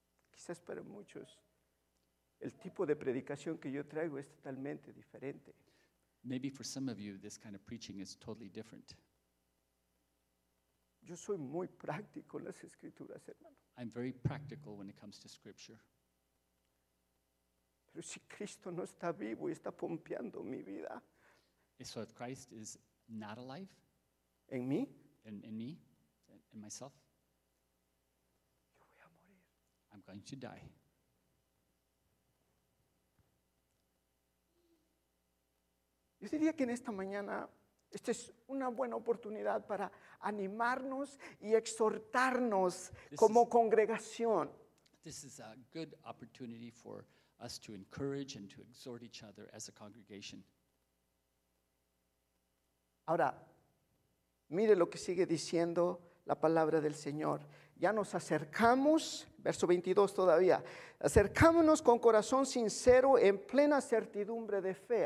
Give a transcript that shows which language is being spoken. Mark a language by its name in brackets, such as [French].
[Spanish] Quizás para muchos, el tipo de predicación que yo traigo es totalmente diferente. [English] Maybe for some of you, this kind of preaching is totally different. [Spanish] Yo soy muy práctico en las escrituras, hermano. [English] I'm very practical when it comes to scripture. [Spanish] Pero si Cristo no está vivo y está pompeando mi vida. [English] So if Christ is not alive? [Spanish] En mí? [English] In myself? [Spanish] Yo voy a morir. [English] I'm going to die. [Spanish] Yo diría que en esta mañana esta es una buena oportunidad para animarnos y exhortarnos como congregación. [English] This is a good opportunity for us to encourage and to exhort each other as a congregation. [Spanish] Ahora, mire lo que sigue diciendo la palabra del Señor. Ya nos acercamos, verso 22 todavía, acercámonos con corazón sincero en plena certidumbre de fe.